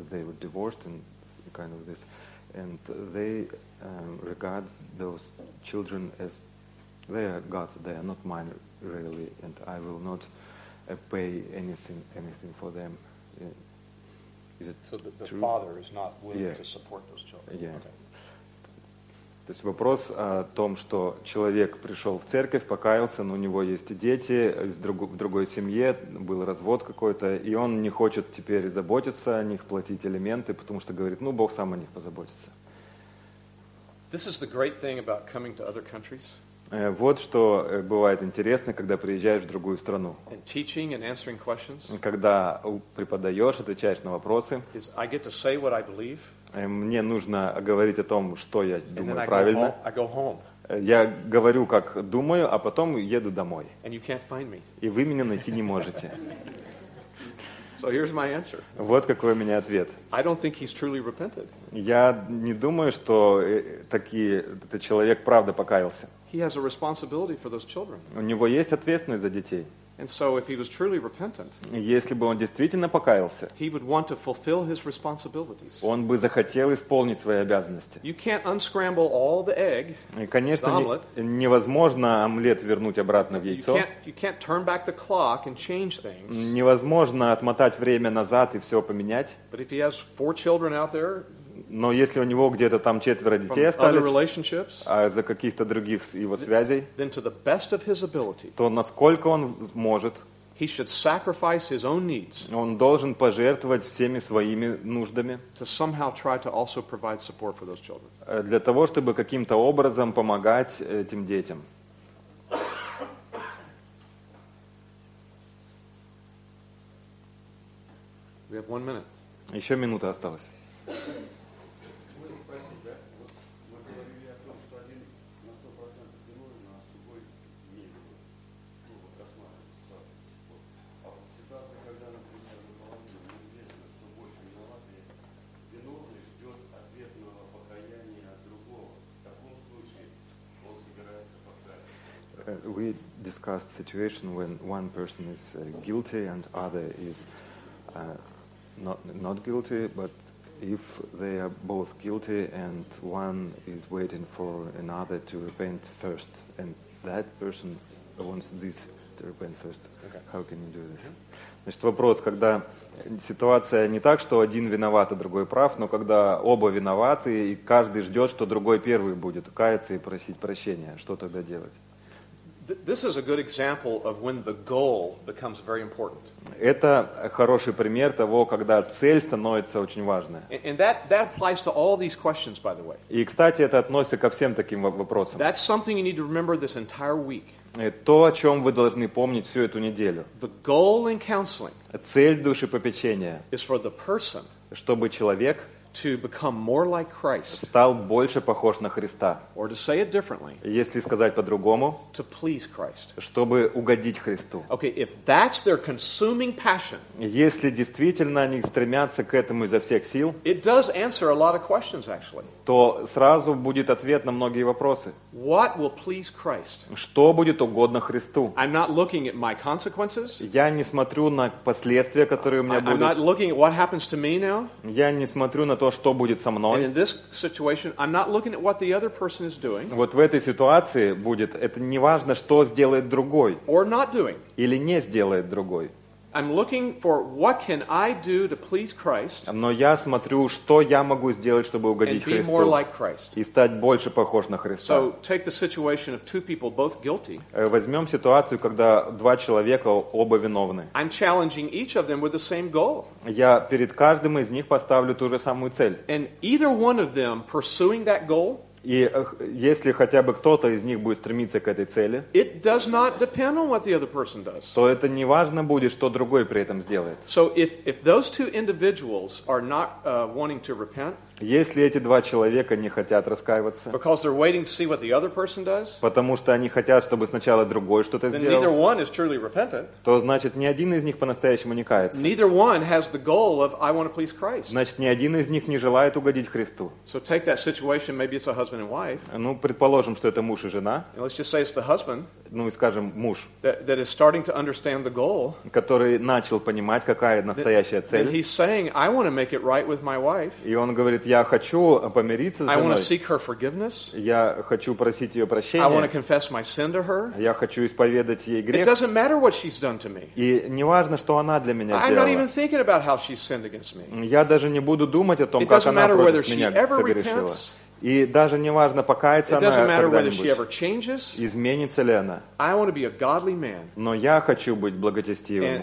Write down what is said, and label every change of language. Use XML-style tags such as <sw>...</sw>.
<en>They were divorced and kind of this. And they regard those children as they are God's. They are not mine, really. And I will not pay anything for them. Is it so that the true? Father is not willing to support those children? Yeah.</en> <ru>То есть вопрос о том, что человек пришел в церковь, покаялся, но у него есть дети, в другой семье был развод какой-то, и он не хочет теперь заботиться о них, платить алименты, потому что говорит, ну, Бог сам о них позаботится.</ru> <en>This is the great thing about coming to other countries.</en> <ru>Вот что бывает интересно, когда приезжаешь в другую страну.</ru> <en>And teaching and answering questions.</en> <ru>Когда преподаешь, отвечаешь на вопросы.</ru> <en>Is I get to say what I believe.</en> <ru>Мне нужно говорить о том, что я думаю правильно.</ru> <en>I go home.</en> <ru>Я говорю, как думаю, а потом еду домой.</ru> <en>And you can't find me.</en> <ru>И вы меня найти не можете.</ru> <en>So here's my answer.</en> <ru>Вот какой у меня ответ.</ru> <en>I don't think he's truly repented.</en> <ru>Я не думаю, что этот человек правда покаялся.</ru> <en>He has a responsibility for those children.</en> <ru>У него есть ответственность за детей.</ru> <en>And so, if he was truly repentant,</en> <ru>если бы он действительно покаялся,</ru> <en>he would want to fulfill his responsibilities.</en> <ru>Он бы захотел исполнить свои обязанности.</ru> <en>You can't unscramble all the egg,</en> <ru>и, конечно,</ru> <en>the omelet.</en> <ru>Невозможно омлет вернуть обратно в яйцо.</ru> <en>You can't turn back the clock and change things.</en> <ru>Невозможно отмотать время назад и все поменять.</ru> <en>But if he has 4 children out there,</en> <ru>но если у него где-то там четверо детей остались, а за каких-то других его связей,</ru> <en>then to the best of his ability,</en> <ru>то насколько он может,</ru> <en>He should sacrifice his own needs.</en> <ru>Он должен пожертвовать всеми своими нуждами.</ru> <en>To somehow try to also provide support for those children.</en> <ru>Для того, чтобы каким-то образом помогать этим детям.</ru> <en>We have 1 minute.</en> <ru>Еще минута осталась.</ru> <en>We discussed situation when one person is guilty and other is not guilty, but if they are both guilty and one is waiting for another to repent first, and that person wants this to repent first, okay. How can you do this?</en> <ru>Значит, вопрос, когда ситуация не так, что один виноват, а другой прав, но когда оба виноваты, и каждый ждет, что другой первый будет каяться и просить прощения, что тогда делать?</ru> <en>This is a good example of when the goal becomes very important.</en> <ru>Это хороший пример того, когда цель становится очень важной.</ru> <en>And that applies to all these questions, by the way.</en> <ru>И, кстати, это относится ко всем таким вопросам.</ru> <en>That's something you need to remember this entire week.</en> <ru>То, о чем вы должны помнить всю эту неделю.</ru> <en>The goal in counseling.</en> <ru>Цель душепопечения.</ru> <en>Is for the person.</en> <ru>Чтобы человек</ru> <en>to become more like Christ.</en> <ru>Стал больше похож на Христа.</ru> <en>Or to say it differently.</en> <ru>Если сказать по-другому.</ru> <en>To please Christ.</en> <ru>Чтобы угодить Христу.</ru> <en>Okay, if that's their consuming passion.</en> <ru>Если действительно они стремятся к этому изо всех сил.</ru> <en>It does answer a lot of questions, actually.</en> <ru>То сразу будет ответ на многие вопросы.</ru> <en>What will please Christ?</en> <ru>Что будет угодно Христу?</ru> <en>I'm not looking at my consequences.</en> <ru>Я не смотрю на последствия, которые у меня будут.</ru> <en>I'm not looking at what happens to me now.</en> <ru>Я не смотрю на то, что будет со мной.</ru> <en>And in this situation, I'm not looking at what the other person is doing.</en> <ru>Вот в этой ситуации будет, это не важно, что сделает другой.</ru> <en>Or not doing.</en> <ru>Или не сделает другой.</ru> <en>I'm looking for what can I do to please Christ.</en> <ru>Но я смотрю, что я могу сделать, чтобы угодить Христу.</ru> <en>And be more like Christ.</en> <ru>И стать больше похож на Христа.</ru> <en>So take the situation of two people both guilty.</en> <ru>Возьмем ситуацию, когда два человека оба виновны.</ru> <en>I'm challenging each of them with the same goal.</en> <ru>Я перед каждым из них поставлю ту же самую цель.</ru> <en>And either one of them pursuing that goal.</en> <ru>И если хотя бы кто-то из них будет стремиться к этой цели,</ru> <en>it does not depend on what the other person does.</en> <ru>То это не важно будет, что другой при этом сделает.</ru> <en>So if those two individuals are not wanting to repent,</en> <ru>если эти два человека не хотят раскаиваться,</ru> <en>because they're waiting to see what the other person does,</en> <ru>потому что они хотят, чтобы сначала другой что-то</ru> <en>then</en> <ru>сделал,</ru> <en>neither one is truly repentant,</en> <ru>то значит ни один из них по-настоящему не кается.</ru> <en>Neither one has the goal of I want to please Christ.</en> <ru>Значит, ни один из них не желает угодить Христу.</ru> <en>So take that situation, maybe it's a husband and wife.</en> <ru>Ну, предположим, что это муж и жена.</ru> <en>And let's just say it's the husband.</en> <ru>Ну и скажем, муж,</ru> <en>that is starting to understand the goal,</en> <ru>который начал понимать, какая настоящая цель.</ru> <en>That he's saying, I want to make it right with my wife.</en> <ru>И он говорит, я хочу помириться с женой.</ru> <en>I want to seek her forgiveness.</en> <ru>Я хочу просить ее прощения.</ru> <en>I want to confess my sin to her.</en> <ru>Я хочу исповедать ей грех.</ru> <en>It doesn't matter what she's done to me.</en> <ru>И не важно, что она для меня сделала.</ru> <en>I'm not even thinking about how she's sinned against me.</en> <ru>Я даже не буду думать о том, как она против меня согрешила. И даже не важно, покается она когда-нибудь, изменится ли она.</ru> <en>I want to be a godly man.</en> <ru>Но я хочу быть благочестивым.</ru>